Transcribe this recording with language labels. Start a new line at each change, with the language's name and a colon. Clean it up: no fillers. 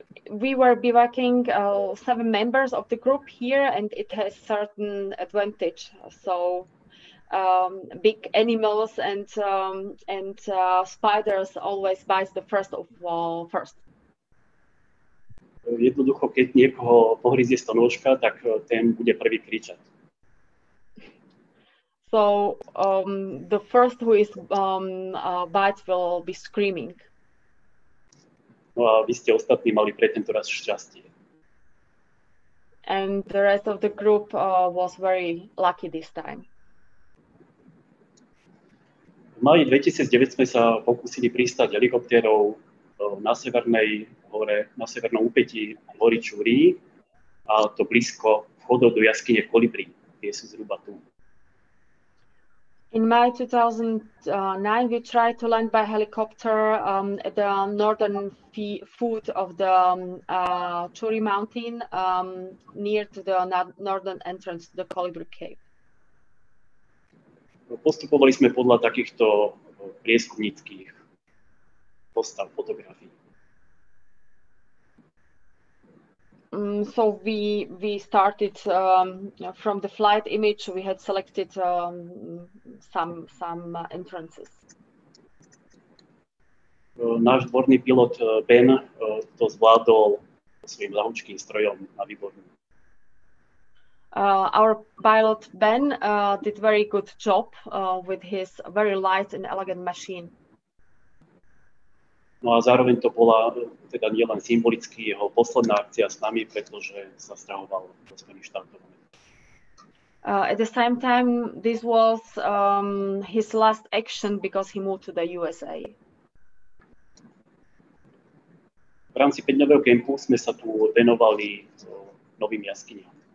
English: We were bivouacking 7 members of the group here and it has certain advantage. So big animals and spiders always bite the first of all first.
Slovak: Jednoducho, keď niekoho pohryzie stonožka, tak ten bude prvý kričať.
English: So So the first who is bites will be screaming.
Slovak: No a vy ste ostatní mali pre tento raz šťastie.
English: And the rest of the group was very lucky this time.
Slovak: V máji 2009 sme sa pokúsili pristáť helikoptérou na severnej hore, na severnom úpätí hory Čurí, a to blízko vchodu do jaskyne Kolibri. Je si zhruba tu.
English: In May 2009, we tried to land by helicopter at the northern foot of the Churi mountain, near to the northern entrance to the Colibri cave.
Slovak: Postupovali sme podľa takýchto prieskumníckych postav fotografií.
English: So we started from the flight image. We had selected some entrances.
Slovak: Náš dvorný pilot Ben to zvládol svojím ľahučkým strojom a výborný.
English: Our pilot Ben did very good job with his very light and elegant machine.
Slovak: No a zároveň to bola teda nielen symbolicky jeho posledná akcia s nami, pretože sa stahoval do Spojených štátov.
English: At the same time, this was his last action because he moved to the USA.
Slovak: V rámci 5-dňového kempu sme sa tu venovali novým jaskyniam.